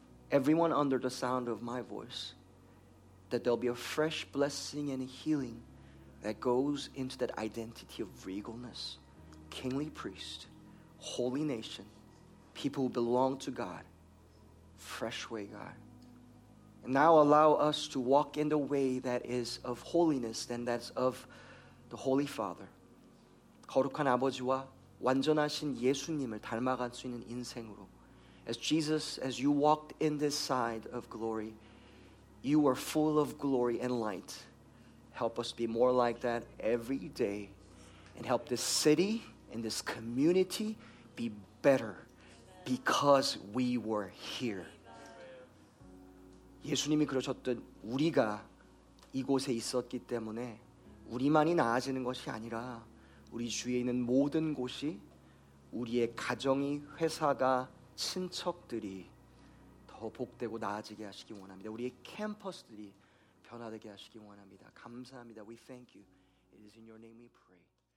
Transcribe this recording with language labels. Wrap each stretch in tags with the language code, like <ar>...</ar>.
<en>Everyone under the sound of my voice, that there'll be a fresh blessing and healing that goes into that identity of regalness, kingly priest, holy nation, people who belong to God, fresh way, God. And now allow us to walk in the way that is of holiness than that's of the Holy Father.</en> <ko>거룩한 아버지와 완전하신 예수님을 닮아갈 수 있는 인생으로</ko> <en>As Jesus, as you walked in this side of glory, you were full of glory and light. Help us be more like that every day. And help this city and this community be better because we were here.</en> <ko>예수님이 그러셨듯 우리가 이곳에 있었기 때문에 우리만이 나아지는 것이 아니라 우리 주위에 있는 모든 곳이 우리의 가정이 회사가 친척들이 더 복되고 나아지게 하시기 원합니다. 우리의 캠퍼스들이 변화되게 하시기 원합니다. 감사합니다.</ko> <en>We thank you. It is in your name we pray.</en>